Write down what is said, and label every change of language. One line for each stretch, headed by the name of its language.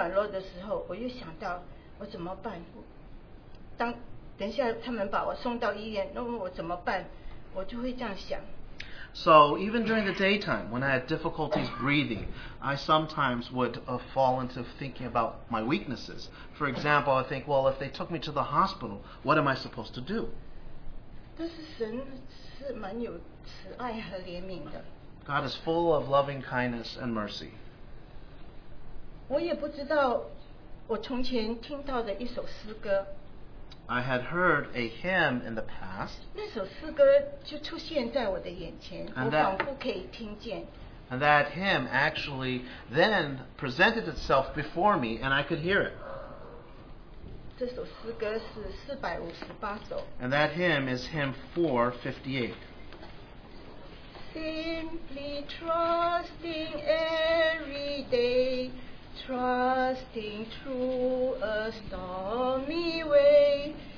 Chinese: 我很难复习的时候，我也会害怕，因为仇敌的攻击是反反复复。有时候我很刚强，有时候当我很软弱的时候，我又想到我怎么办？等一下他们把我送到医院，那么我怎么办？我就会这样想。
English: So even during the daytime, when I had difficulties breathing, I sometimes would fall into thinking about my weaknesses. For example, I think, well, if they took me to the hospital, what am I supposed to do?
Chinese: 但是神是蛮有慈爱和怜悯的。
English: God is full of loving kindness and mercy.
Chinese: 我也不知道我从前听到的一首诗歌。
English: I had heard a hymn in the past.
Chinese: 那首诗歌就出现在我的眼前，我仿佛可以听见。
English: And that hymn actually then presented itself before me, and I could hear it.
Chinese: 这首诗歌是458首。
English: And that hymn is hymn 458. Simply trusting every day, trusting through a stormy way.